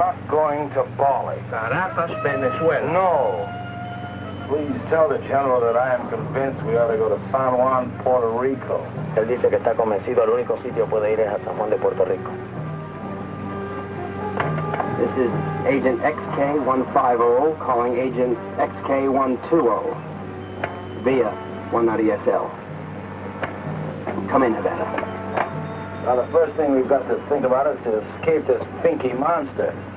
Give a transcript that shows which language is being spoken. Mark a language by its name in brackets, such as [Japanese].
[English] Going to Bali. Caracas, Venezuela. No. Please tell the general that I am convinced we ought to go to San Juan, Puerto Rico. [Spanish] Él dice que está convencido el único sitio puede ir es a San Juan de Puerto Rico. [English] This is Agent XK150 calling Agent XK120 via 190SL. Come in, Havana. Now, the first thing we've got to think about is to escape this pinky monster.